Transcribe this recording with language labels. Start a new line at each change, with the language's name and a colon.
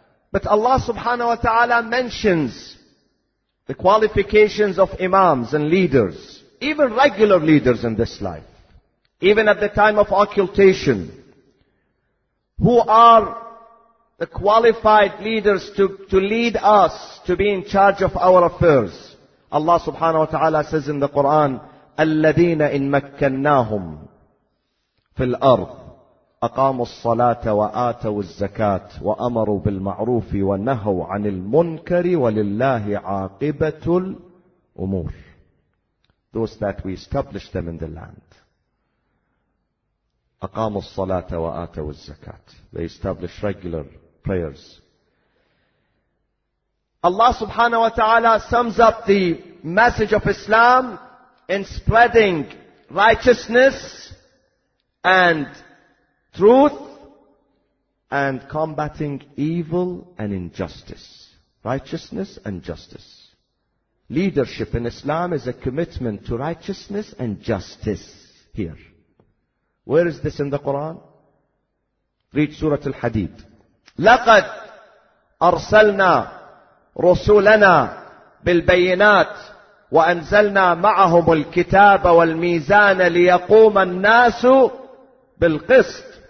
English: But Allah subhanahu wa ta'ala mentions the qualifications of imams and leaders, even regular leaders in this life, even at the time of occultation, who are the qualified leaders to lead us, to be in charge of our affairs. Allah subhanahu wa ta'ala says in the Quran,
Arabic: الَّذِينَ إِن مَكَّنَّاهُمْ فِي الْأَرْضِ أَقَامُوا الصَّلَاةَ وَآتَوُوا الزَّكَاةَ وَأَمَرُوا بِالْمَعْرُوفِ وَنَهَوْا عَنِ الْمُنْكَرِ وَلِلَّهِ عَاقِبَةُ الْأُمُورِ.
English: Those that we establish them in the land.
Arabic: أَقَامُوا الصَّلَاةَ وَآتَوُوا الزَّكَاةَ.
English: They establish regular prayers. Allah subhanahu wa ta'ala sums up the message of Islam in spreading righteousness and truth and combating evil and injustice. Righteousness and justice. Leadership in Islam is a commitment to righteousness and justice here. Where is this in the Quran? Read Surah Al-Hadid.
Arabic: لقد أرسلنا رسولنا بالبينات وأنزلنا معهم الكتاب والميزان ليقوم الناس بالقسط.